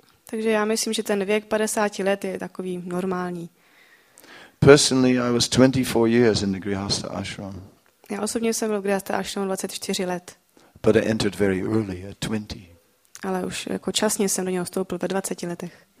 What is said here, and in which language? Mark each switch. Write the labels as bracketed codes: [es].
[cs] Takže já myslím, že ten věk 50 let je takový normální. [en] Personally, I was 24 years in the Grihastha ashram. [cs] Já osobně jsem byl v Grihastha ashramu 24 let. [en] But I entered very early, at 20. [cs] Ale už jako časně jsem do něho vstoupil ve 20 letech.